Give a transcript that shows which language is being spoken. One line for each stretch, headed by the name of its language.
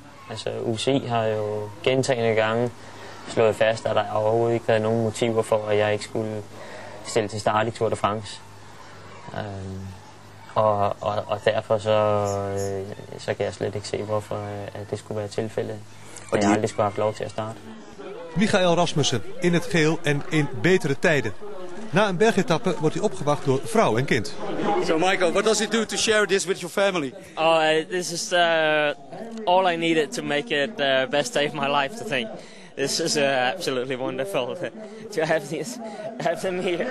Danish: Altså, UCI har jo gentagne gange slået fast, at der overhovedet ikke havde nogen motiver for, at jeg ikke skulle stille til start i Tour de France. Og derfor så kan jeg slet ikke se, hvorfor at det skulle være tilfælde, at jeg aldrig skulle have haft lov til at starte.
Dutch: Michael Rasmussen in het geel en in betere tijden. Na een bergetappe wordt hij opgewacht door vrouw en kind.
English: So Michael, what does it do to share this with your family? Oh, this is all I needed to make it the best day of my life, I think. This is absolutely wonderful to have this, have them here.